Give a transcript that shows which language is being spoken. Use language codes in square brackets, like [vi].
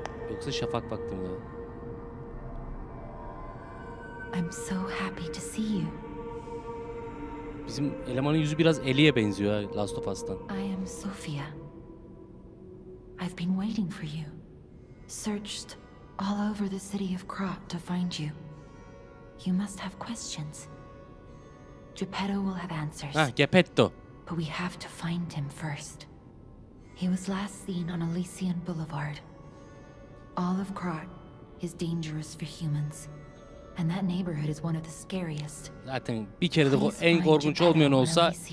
[tr] Yoksa şafak vakti mi? [en] I'm so happy to see you. [tr] Bizim elemanın yüzü biraz Ellie'ye benziyor Last of Us'tan. [en] I am Sophia. I've been waiting for you. Searched all over the city of Krat to find you. You must have questions. Geppetto will have answers. Ha, Geppetto. But we have to find him first. He was last seen on Elysian Boulevard. All of Krat is dangerous for humans. And that neighborhood is one of the scariest. [tr] Zaten bir kere de en korkunç olmayan olsa.